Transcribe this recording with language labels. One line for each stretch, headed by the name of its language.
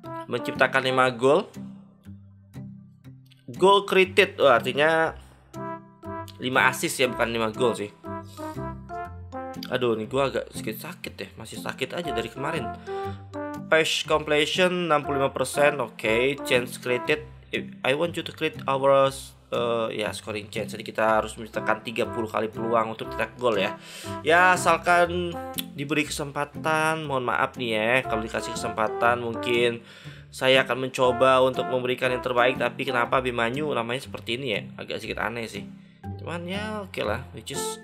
Indonesian: Menciptakan 5 gol.
English: Goal created,
Indonesian: wah, artinya 5 assist ya, bukan 5 gol sih. Aduh, ini gua agak sedikit sakit ya. Masih sakit aja dari kemarin. Pass completion 65%. Oke, okay.
English: Chance created, I want you to create our scoring chance.
Indonesian: Jadi kita harus menciptakan 30 kali peluang untuk cetak gol ya. Ya, asalkan diberi kesempatan. Mohon maaf nih ya, kalau dikasih kesempatan mungkin saya akan mencoba untuk memberikan yang terbaik. Tapi kenapa Bimanyu namanya seperti ini ya? Agak sedikit aneh sih. Cuman ya oke lah.
English: Which is